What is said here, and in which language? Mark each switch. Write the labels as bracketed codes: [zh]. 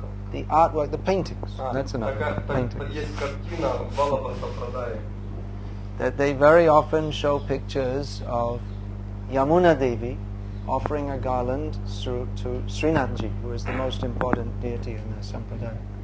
[en] The artwork, the paintings. That's another painting. [ru] Есть картина Vallabha Sampradaya. [en] That they very often show pictures of Yamuna Devi offering a garland to Srinathji, who is the most important deity in the Sampradaya.